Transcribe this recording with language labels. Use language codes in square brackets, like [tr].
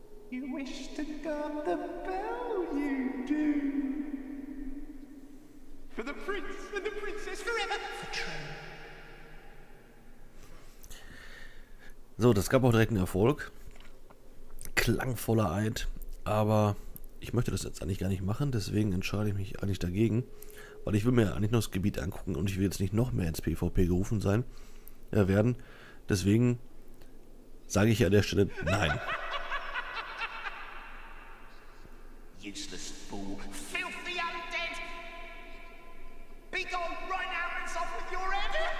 [en] You wish to God the bell, you do. For the prince and the princess forever. [de] So, das gab auch direkt einen Erfolg. Klangvoller Eid, aber ich möchte das jetzt eigentlich gar nicht machen, deswegen entscheide ich mich eigentlich dagegen, weil ich will mir eigentlich nur das Gebiet angucken und ich will jetzt nicht noch mehr ins PvP gerufen sein werden. Deswegen sage ich an der Stelle nein. [en] Useless fool, filthy undead. Be gone right now and off with your head.